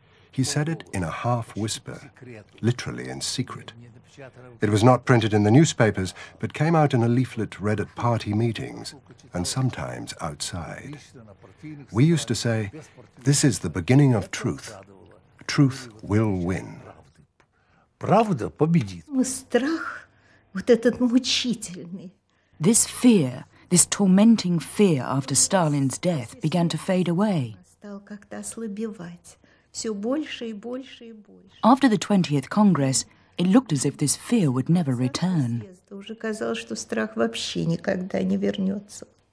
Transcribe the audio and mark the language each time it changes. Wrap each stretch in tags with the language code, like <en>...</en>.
<en>He said it in a half whisper, literally in secret. It was not printed in the newspapers, but came out in a leaflet read at party meetings and sometimes outside. We used to say, "This is the beginning of truth. Truth will win."</en> <ru>Правда победит. Страх вот этот мучительный.</ru> <en>This fear, this tormenting fear after Stalin's death began to fade away.</en> <ru>Стал как-то ослабевать. Все больше и больше и больше.</ru> <en>After the 20th Congress, it looked as if this fear would never return.</en> <ru>Уже казалось, что страх вообще никогда не вернется.</ru>